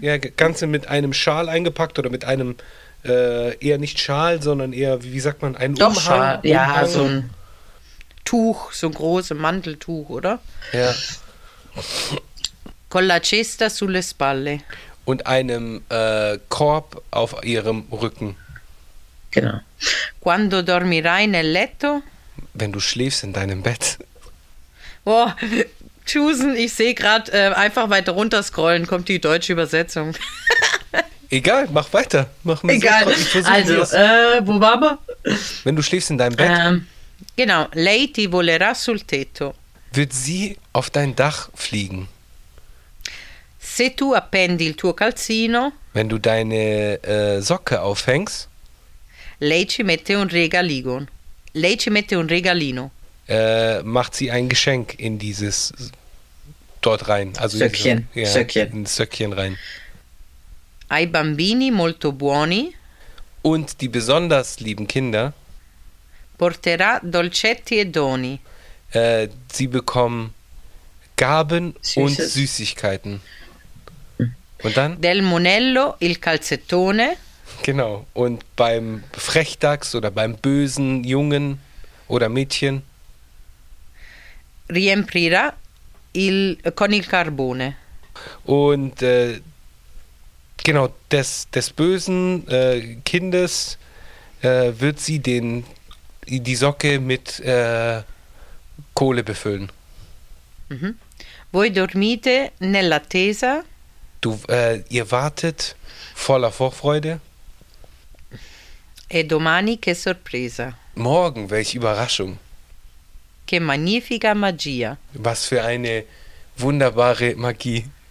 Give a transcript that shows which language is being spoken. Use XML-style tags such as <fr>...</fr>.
<de>Ja, ganz mit einem Schal eingepackt oder mit einem... eher nicht Schal, sondern eher, wie sagt man, ein Doch, Umhang? Schal, ja, Umhang. So ein Tuch, so ein großes Manteltuch, oder? Ja.</de> <it>Con la cesta sulle spalle.</it> <de>Und einem Korb auf ihrem Rücken. Genau.</de> <it>Quando dormirai nel letto?</it> <de>Wenn du schläfst in deinem Bett. Boah, Chusen, ich sehe gerade, einfach weiter runter scrollen, kommt die deutsche Übersetzung. Egal, mach weiter. Mach mir egal, so, also, wo war man? Wenn du schläfst in deinem Bett. Genau,</de> <it>lei ti volerà sul tetto.</it> <de>Wird sie auf dein Dach fliegen?</de> <it>Se tu appendi il tuo calzino.</it> <de>Wenn du deine Socke aufhängst.</de> <it>Lei ci mette un regalino. Lei ci mette un regalino.</it> <de>Macht sie ein Geschenk in dieses dort rein. Also Söckchen. Diese, ja, Söckchen. Ein Söckchen rein.</de> <it>Ai bambini molto buoni.</it> <de>Und die besonders lieben Kinder.</de> <it>Porterà dolcetti e doni.</it> <de>Sie bekommen Gaben und Süßigkeiten. Und dann?</de> <it>Del Monello il calzettone.</it> <de>Genau. Und beim Frechdachs oder beim bösen Jungen oder Mädchen?</de> <it>Riempirà il con il carbone.</it> <de>Und genau, des bösen Kindes wird sie die Socke mit Kohle befüllen. Mhm.</de> <it>Voi dormite nell'attesa?</it> <de>Ihr wartet voller Vorfreude.</de> <it>E domani che sorpresa.</it> <de>Morgen, welche Überraschung.</de> <it>Che magnifica magia.</it> <de>Was für eine wunderbare Magie.</de>